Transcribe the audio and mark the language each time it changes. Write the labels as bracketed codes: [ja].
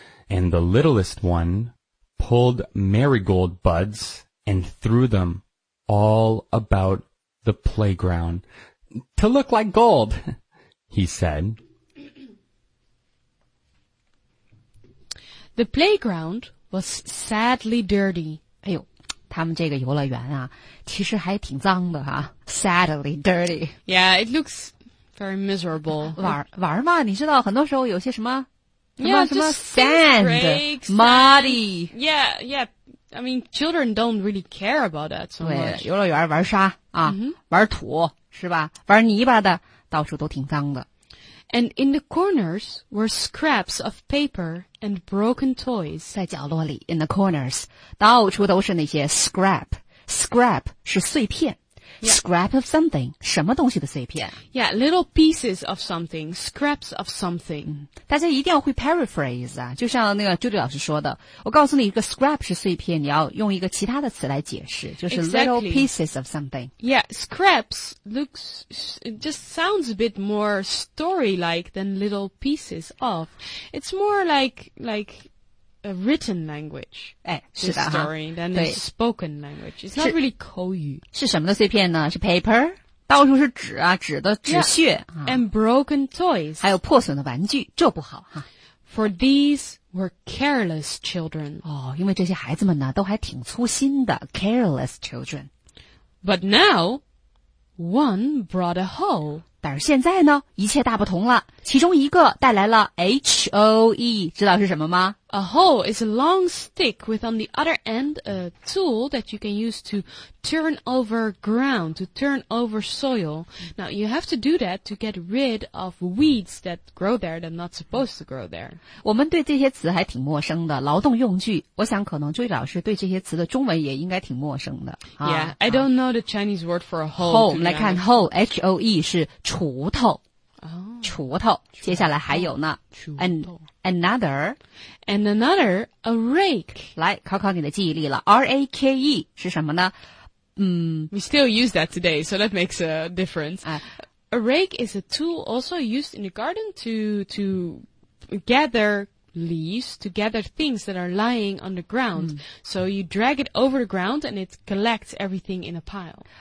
[en] And the littlest one pulled marigold buds and threw them all about the playground. To look like gold, he said. The playground was sadly dirty. [zh] 哎呦，他们这个游乐园啊，其实还挺脏的哈。 [en] Sadly dirty. Yeah, it looks very miserable. [zh] 玩嘛，你知道，很多时候有些什么 [en] yeah, [zh] 什么 [en] sand, muddy. Yeah, yeah, I mean, children don't really care about that so much. [zh] 对，游乐园玩沙啊，玩土是吧？玩泥巴的，到处都挺脏的。 [en] And in the corners were scraps of paper and broken toys. [zh] 在角落里 , [en] in the corners, [zh] 到处都是那些 scrap. Scrap 是碎片。 [en] Yeah. Scrap of something, [zh] 什么东西的碎片。 [en] Yeah, little pieces of something, scraps of something.、 [zh] 大家一定要会 paraphrase 啊，就像那个朱莉老师说的，我告诉你一个 scrap 是碎片，你要用一个其他的词来解释，就是 [en] little、 exactly. pieces of something. Yeah, scraps looks, it just sounds a bit more story-like than little pieces of. It's more like,A written language. [zh] 哎，是的哈。 [en] Than a spoken language. It's not really [zh] 口语。是什么的碎片呢？是 [en] paper? [zh] 到处是纸啊，纸的纸屑。 [en] Yeah, and broken toys. [zh] 还有破损的玩具，这不好哈。 [en] For these were careless children. [zh] 哦，因为这些孩子们呢，都还挺粗心的。 [en] Careless children. But now, one brought a hoe. [zh] 但是现在呢，一切大不同了。其中一个带来了 H-O-E， 知道是什么吗 [en] ？A hoe is a long stick with on the other end a tool that you can use to turn over ground, to turn over soil. Now you have to do that to get rid of weeds that grow there that are not supposed to grow there. [zh] 我们对这些词还挺陌生的，劳动用具。我想可能朱莉老师对这些词的中文也应该挺陌生的。 [en] Yeah, I don't know the Chinese word for a hoe. [zh] Hoe， 我们来看 hoe， H-O-E 是。锄头、 [en] oh, [zh] 锄头接下来还有呢 [en] another a rake [zh] 来考考你的记忆力了 rake 是什么呢、 [en] we still use that today so that makes a difference、a rake is a tool also used in the garden to gather leaves to gather things that are lying on the ground、so you drag it over the ground and it collects everything in a pile